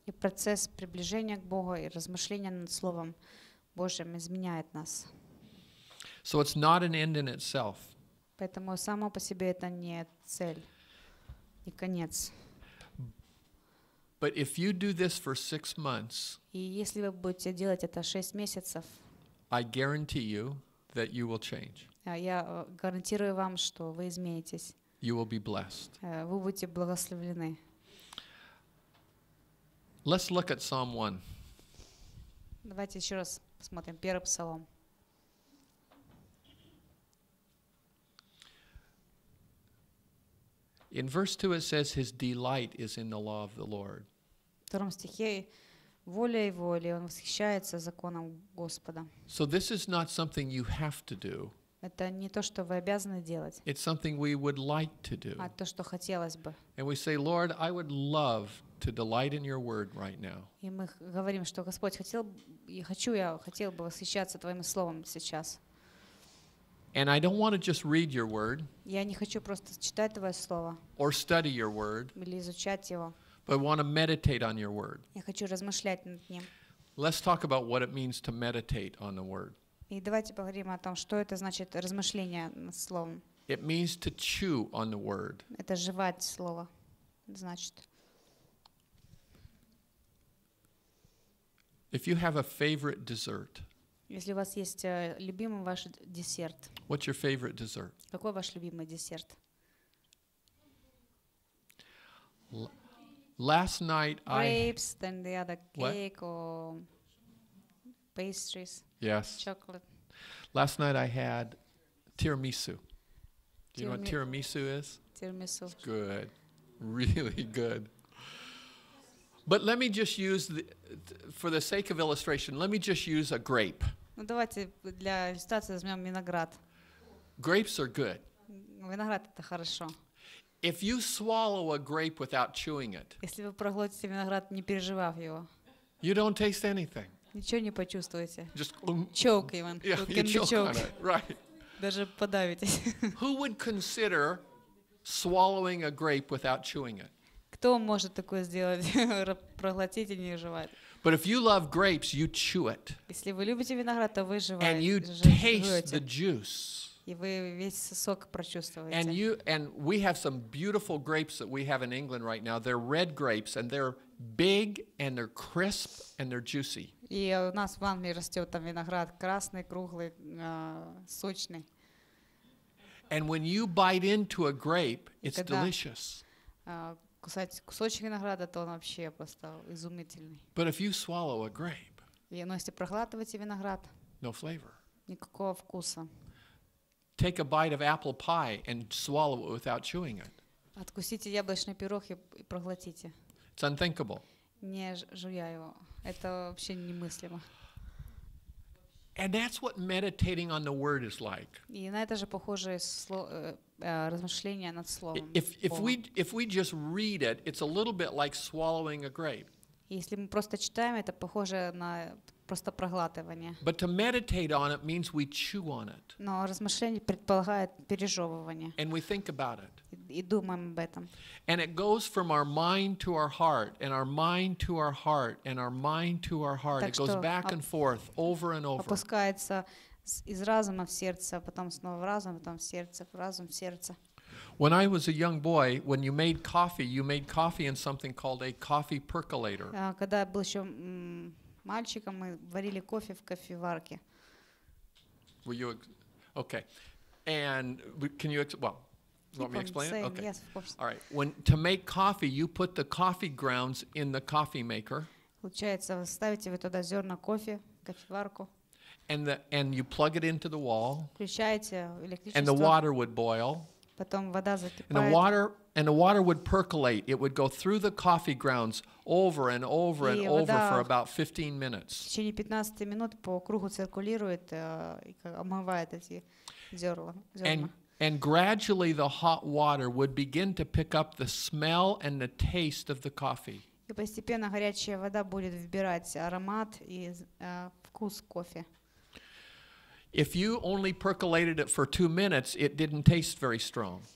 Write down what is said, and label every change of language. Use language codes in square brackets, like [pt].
[ru] И процесс приближения к Богу и размышления над Словом Божьим изменяет нас. [en] So it's not an end in itself. [ru] Поэтому само по себе это не цель, не конец. [en] But if you do this for 6 months, [ru] и если вы будете делать это 6 месяцев, [en] I guarantee you that you will change. [ru] Я гарантирую вам, что вы изменитесь. [en] You will be blessed. [ru] Вы будете благословлены. [en] Let's look at Psalm 1. [ru] Давайте еще раз посмотрим первый псалом. [en] In verse 2 it says, His delight is in the law of the Lord. [ru] В втором стихе воля его, или он восхищается законом Господа. [en] So this is not something you have to do. [ru] Это не то, что вы обязаны делать. [en] It's something we would like to do. [ru] А то, что хотелось бы. [en] And we say, Lord, I would love to delight in your word right now. [ru] И мы говорим, что Господь хотел и хочу я хотел бы восхищаться твоим словом сейчас. [en] And I don't want to just read your word. [ru] Я не хочу просто читать твое слово. [en] Or study your word. [ru] Или изучать его. [en] But I want to meditate on your word. [ru] Я хочу размышлять над ним. [en] Let's talk about what it means to meditate on the word. [ru] И давайте поговорим о том, что это значит размышление над словом. [en] It means to chew on the word. [ru] Это жевать слово, значит. [en] If you have a favorite dessert. [ru] Если у вас есть любимый ваш десерт. [en] What's your favorite dessert? [ru] Какой ваш любимый десерт? [en] Last night grapes, then the other cake or pastries. Yes. Chocolate. Last night I had tiramisu. Do you know what tiramisu is? Tiramisu. It's good. Really good. But let me just use for the sake of illustration, let me just use a grape. [ru] Ну давайте для иллюстрации возьмём виноград. [en] Grapes are good. [ru] Виноград это хорошо. [en] If you swallow a grape without chewing it. [ru] Если вы проглотите виноград, не переживав его. [en] You don't taste anything. [ru] Ничего не почувствуете. [en] Just choke even. Yeah, you choke on it. Right. [ru] Даже подавитесь. [en] Who would consider swallowing a grape without chewing it? [ru] Кто может такое сделать? Проглотить и не жевать. [en] But if you love грейпс, you chew it. [ru] Если вы любите виноград, то вы жеваете. [en] And you taste the juice. [ru] И вы весь сок прочувствуете. [en] And you and we have some beautiful grapes that we have in England right now. They're red grapes and they're big and they're crisp and they're juicy. [ru] И у нас в Англии растет там виноград красный, круглый, сочный. [en] And when you bite into a grape, it's delicious. [ru] Кусать кусочек винограда, то он вообще просто изумительный. [en] But if you swallow a grape, [ru] но если проглатываете виноград, [en] no flavor. [ru] Никакого вкуса. [en] Take a bite of apple pie and swallow it without chewing it. [ru] Откусите яблочный пирог и проглотите. [en] It's unthinkable. [ru] Не жуя его. Это вообще немыслимо. [en] And that's what meditating on the word is like. [ru] И на это же похоже размышление над словом. [en] If we just read it, it's a little bit like swallowing a grape. [ru] Если мы просто читаем, это похоже на просто проглатывание. [en] But to meditate on it means we chew on it. [ru] Но размышление предполагает пережевывание. [en] And we think about it. [ru] И думаем об этом. [en] And it goes from our mind to our heart, and our mind to our heart, and our mind to our heart. It goes back and forth, over and over. [ru] Опускается из разума в сердце, потом снова в разум, потом в разум, в сердце. [en] When I was a young boy, when you made coffee in something called a coffee percolator. [ru] Когда я был еще мальчиком, мы варили кофе в кофеварке. [en] Were you okay? And can you explain? Let me explain it. Okay. Yes, of course. All right. When to make coffee, you put the coffee grounds in the coffee maker. [ru] Получается, вы ставите вы туда зерна кофе, кофеварку. [en] And you plug it into the wall. [ru] Включаете электричество. [en] And the water would boil. [ru] Потом вода закипает. [en] And the water would percolate. It would go through the coffee grounds over and over and over for about 15 minutes. [ru] В течение 15 минут по кругу циркулирует и омывает эти зерна. [en] And gradually the hot water would begin to pick up the smell and the taste of the coffee. [ru] И постепенно горячая вода будет вбирать аромат и вкус кофе. [en] If you only percolated it for 2 minutes, it didn't taste very strong.